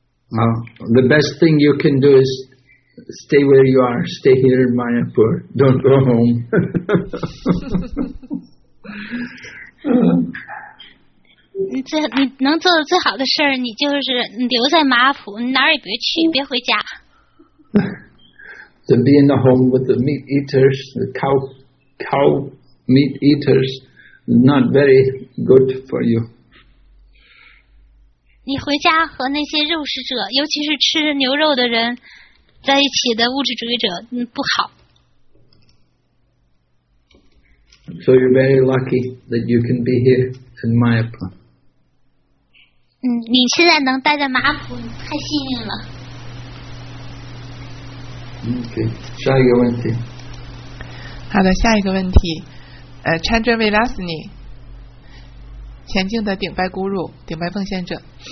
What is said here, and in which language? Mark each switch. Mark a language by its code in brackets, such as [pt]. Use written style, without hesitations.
[en] The best thing you can do is stay where you are, stay here in Mayapur, don't go home. [zh] 你能做的最好的事儿，你就是留在马阿普，哪儿也别去，别回家。 [en] To be in the home with the meat eaters, the cow meat eaters, not very good for you. [zh] 你回家和那些肉食者，尤其是吃牛肉的人在一起的物质主义者，不好。 [en] So you're very lucky that you can be here in Mayapur. [zh] 你现在能待在马普，你太幸运了。 OK， 下一个问题。好的，下一个问题。Chandra Vilasini， 前进的顶拜孤乳，顶拜奉献者。